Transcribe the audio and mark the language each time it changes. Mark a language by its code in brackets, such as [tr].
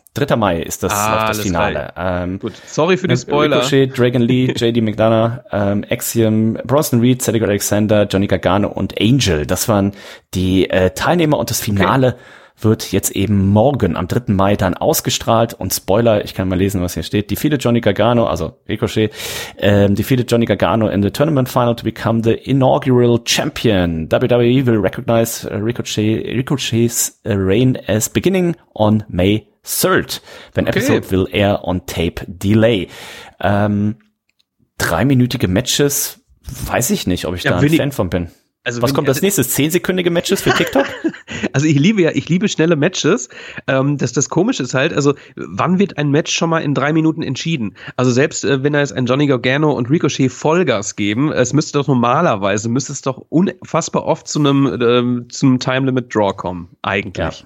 [de] 3. Mai ist das, das Finale. Gut, sorry für die Spoiler. Ricochet, Dragon Lee, JD McDonough, Axiom, Bronson Reed, Cedric Alexander, Johnny Gargano und Angel. Das waren die Teilnehmer und das Finale wird jetzt eben morgen am 3. Mai dann ausgestrahlt. Und Spoiler, ich kann mal lesen, was hier steht. [en] Defeated Johnny Gargano in the tournament final to become the inaugural champion. WWE will recognize Ricochet's reign as beginning on May 3rd. When episode will air on tape delay. [de] 3-minütige Matches, weiß ich nicht, ob ich da ein Fan von bin. Also was kommt als nächstes? 10-sekündige Matches für TikTok? Also ich liebe schnelle Matches. Das Komische ist halt, also wann wird ein Match schon mal in 3 Minuten entschieden? Also selbst wenn da jetzt ein Johnny Gargano und Ricochet Vollgas geben, es müsste doch normalerweise, müsste es doch unfassbar oft zu einem zum Time Limit Draw kommen, eigentlich.